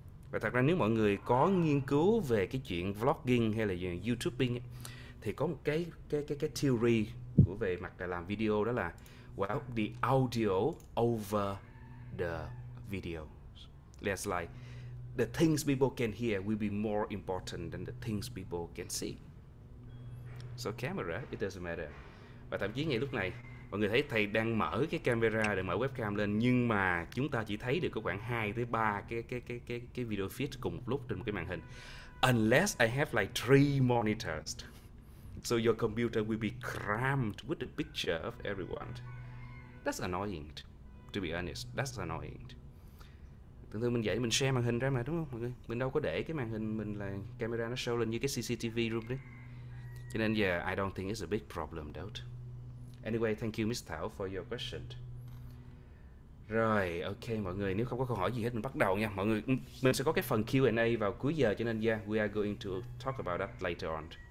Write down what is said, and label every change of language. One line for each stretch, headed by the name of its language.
Vietnamese: Và thật ra nếu mọi người có nghiên cứu về cái chuyện vlogging hay là YouTubing thì có một cái theory của về mặt là làm video đó là
English: well, the audio over the video. That's like the things people can hear will be more important than the things people can see. So camera, it doesn't matter.
Vietnamese: Và thậm chí ngay lúc này, mọi người thấy thầy đang mở cái camera để mở webcam lên, nhưng mà chúng ta chỉ thấy được có khoảng 2 tới 3 cái video feed cùng một lúc trên một cái màn hình.
English: Unless I have like three monitors. So your computer will be crammed with the picture of everyone. That's annoying, to be honest. That's annoying.
Vietnamese: Thường thường mình dạy mình share màn hình ra mà đúng không mọi người? Mình đâu có để cái màn hình mình là camera nó show lên như cái CCTV room đấy. Cho nên giờ
English: I don't think it's a big problem though. Anyway, thank you Miss Thảo for your question.
Vietnamese: Rồi, ok mọi người, nếu không có câu hỏi gì hết mình bắt đầu nha. Mọi người, mình sẽ có cái phần Q&A vào cuối giờ cho nên yeah,
English: we are going to talk about that later on.